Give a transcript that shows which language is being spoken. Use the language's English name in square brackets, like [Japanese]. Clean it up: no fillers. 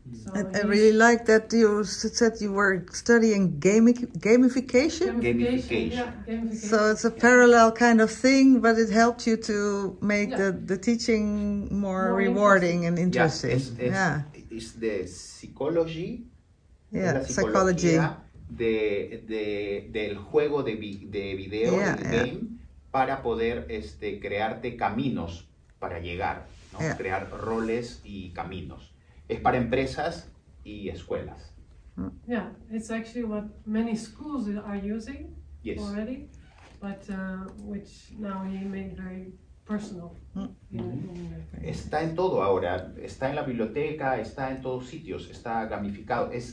[English] So I really like that you said you were studying gamification. Gamification. So it's a parallel kind of thing, but it helped you to make the teaching more rewarding and interesting. Yeah, it's the psychology. Yeah, the psychology. [Spanish] Del juego de video, game, para poder crearte caminos para llegar, ¿no? [English] Yeah. [Spanish] Crear roles y caminos. Es para empresas y escuelas. [English] Yeah, it's actually what many schools are using already, but which now he made very personal. [Spanish] Está en todo ahora. Está en la biblioteca, está en todos sitios, está gamificado.